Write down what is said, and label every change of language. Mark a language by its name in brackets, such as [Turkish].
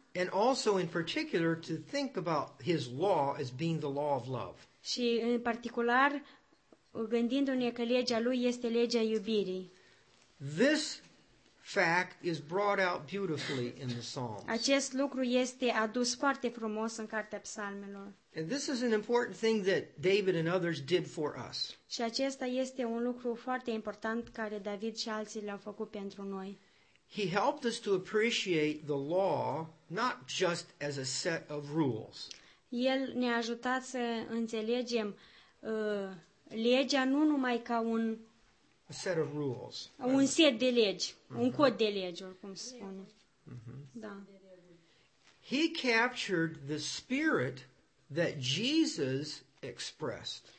[English] And also in particular to think about his law as being the law of love. [Romanian] Și în particular gândindu-ne că legea lui este legea iubirii. [English] This fact is brought out beautifully in the Psalms. [Romanian] Acest lucru este adus foarte frumos în cartea psalmelor. [English] And this is an important thing that David and others did for us. [Romanian] Și acesta este un lucru foarte important care David și alții l-au făcut pentru noi. [English] He helped us to appreciate the law not just as a set of rules. [Romanian] El ne-a ajutat să înțelegem legea nu numai ca un [English] a set of rules. [Romanian] Un set de legi, un cod de legi, cum se spune. Da. [English] He captured the spirit that Jesus expressed.